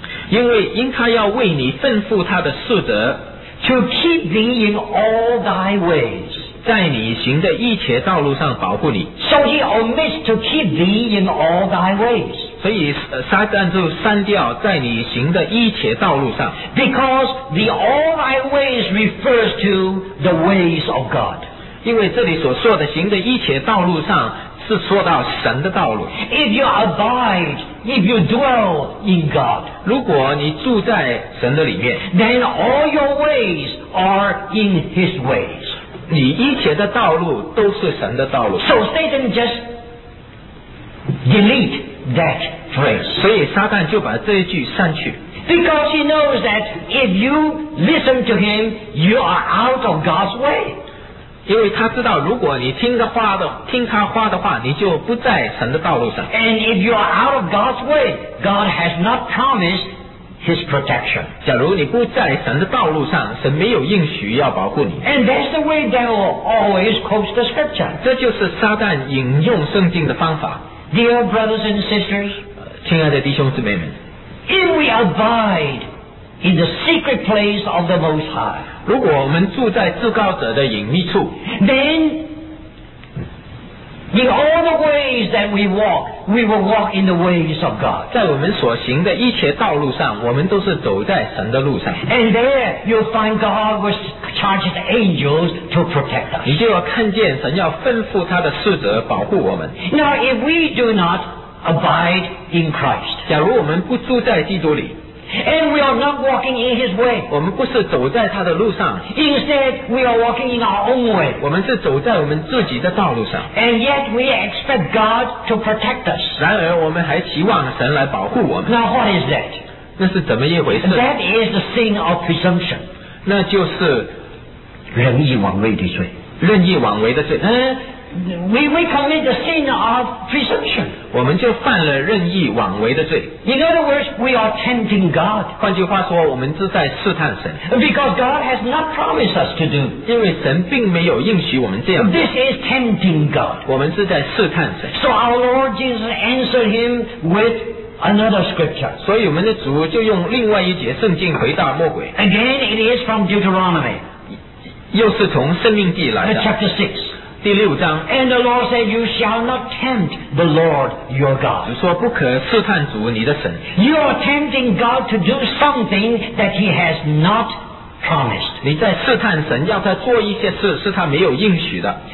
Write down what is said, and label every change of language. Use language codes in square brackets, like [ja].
[zh] 因为因他要为你吩咐他的使者 [en] to keep thee in all thy ways, [zh] 在你行的一切道路上保护你。 [en] So he omits to keep thee in all thy ways. [zh] 所以撒旦就删掉在你行的一切道路上。 [en] Because the all thy ways refers to the ways of God. [zh] 因为这里所说的行的一切道路上是说到神的道路。 [en] If you abide, if you dwell in God, [zh] 如果你住在神的里面， [en] then all your ways are in His ways. [zh] 你一切的道路都是神的道路。 [en] So Satan just delete that phrase. [zh] 所以撒旦就把这一句删去。 [en] Because he knows that if you listen to him, you are out of God's way. [zh] 因为他知道如果你听他话的话，你就不在神的道路上。 [en] And if you are out of God's way, God has not promised His protection. [zh] 假如你不在神的道路上，神没有应许要保护你。 [en] And that's the way devil always quotes the scripture. [zh] 这就是撒旦引用圣经的方法。 [en] Dear brothers and sisters, [zh] 亲爱的弟兄姊妹们， [en] If we abide in the secret place of the Most High, [zh] 如果我们住在至高者的隐秘处， [en] then In all the ways that we walk, we will walk in the ways of God. [zh] 在我们所行的一切道路上，我们都是走在神的路上。 [en] And there you'll find God was charged angels to protect us. [zh] 你就要看见神要吩咐他的使者保护我们。 [en] Now if we do not abide in Christ, [zh] 假如我们不住在基督里。 [en] And we are not walking in His way. [zh] 我们不是走在他的路上。 [en] Instead, we are walking in our own way. [zh] 我们是走在我们自己的道路上。 [en] And yet, we expect God to protect us. [zh] 然而，我们还期望神来保护我们。 [en] Now, what is that? [zh] 那是怎么一回事？ [en] That is the sin of presumption. [zh] 那就是任意妄为的罪。任意妄为的罪。 [en] We commit the sin of presumption. [zh] 我们就犯了任意妄为的罪。 [en] In other words, we are tempting God. [zh] 换句话说，我们是在试探神。 [en] Because God has not promised us to do. [zh] 因为神并没有应许我们这样。 [en] This is tempting God. [zh] 我们是在试探神。 [en] So our Lord Jesus answered him with another scripture. [zh] 所以我们的主就用另外一节圣经回答魔鬼。 [en] Again, it is from Deuteronomy. [zh] 又是从申命记来的。 [en] Chapter 6. [zh] 第六章 [en] And the Lord said, You shall not tempt the Lord your God. [zh] 主说不可试探主你的神 [en] You are tempting God to do something that He has not promised. [zh] 你在试探神要他做一些事是他没有应许的